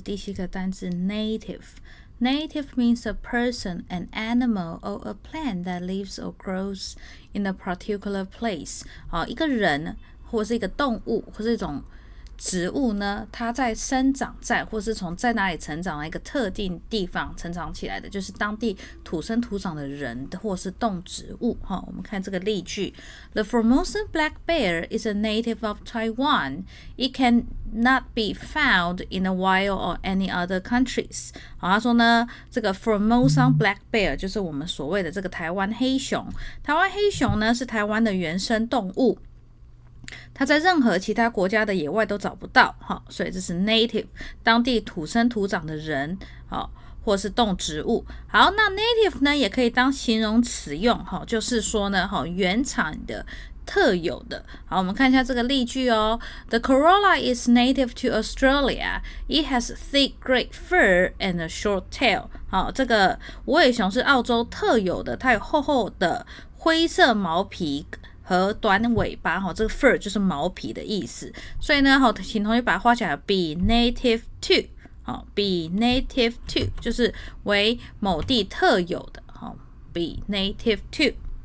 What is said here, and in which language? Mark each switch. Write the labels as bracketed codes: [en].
[zh] 第七个单字 [en] native。Native means a person, an animal, or a plant that lives or grows in a particular place. [zh] 好，一个人或是一个动物或是一种植物呢，它在生长在或是从在哪里成长的一个特定地方成长起来的，就是当地土生土长的人或是动植物。好，我们看这个例句。 [en] The Formosan black bear is a native of Taiwan. It cannot be found in the wild or any other countries. [zh] 好，他说呢，这个 Formosan black bear 就是我们所谓的这个台湾黑熊。台湾黑熊呢，是台湾的原生动物。它在任何其他国家的野外都找不到，好，所以这是 native， 当地土生土长的人，好，或是动植物。好，那 native 呢也可以当形容词用，好，就是说呢，好，原产的，特有的。好，我们看一下这个例句哦。 [en] The Corolla is native to Australia. It has thick grey fur and a short tail. [zh] 好，这个无尾熊是澳洲特有的，它有厚厚的灰色毛皮和短尾巴，这个 fur 就是毛皮的意思。所以呢，请同学把它画起来， [en] be native to， [zh] be native to 就是为某地特有的， be native to。